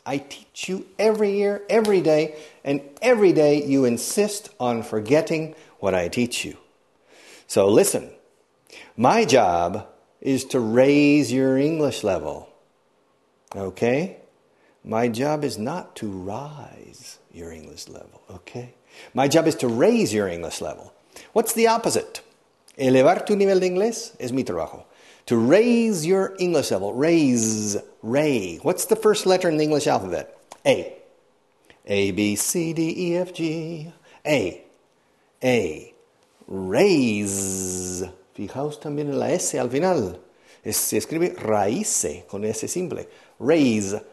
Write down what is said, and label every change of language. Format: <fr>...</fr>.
<en>I teach you every year, every day, and every day you insist on forgetting what I teach you. So listen, my job is to raise your English level, okay? My job is not to rise your English level, okay? My job is to raise your English level. What's the opposite?</en> <es>Elevar tu nivel de inglés es mi trabajo.</es> <en>To raise your English level. Raise. Ray. What's the first letter in the English alphabet? A. A, B, C, D, E, F, G. A. A.</en> <es>Raise. Fijaos también en la S al final. Se escribe raíce con S simple. Raise.</es>